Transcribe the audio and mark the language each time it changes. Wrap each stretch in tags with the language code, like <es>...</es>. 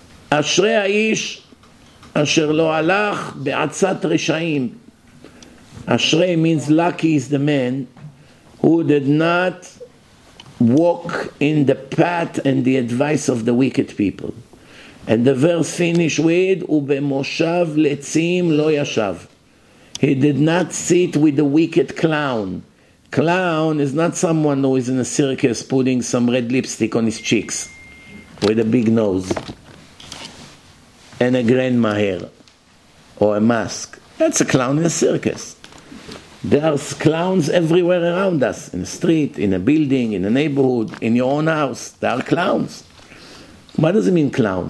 <he>Ashrei ha'ish asher lo alach be'atzat reshaim.</he> <en>Ashrei means lucky is the man who did not walk in the path and the advice of the wicked people. And the verse finished with,</en> <he>ובמושב לצים לא ישב.</he> <en>He did not sit with the wicked clown. Clown is not someone who is in a circus putting some red lipstick on his cheeks with a big nose and a grandma hair or a mask. That's a clown in a circus. There are clowns everywhere around us, in the street, in a building, in a neighborhood, in your own house. There are clowns. What does it mean, clown?</en>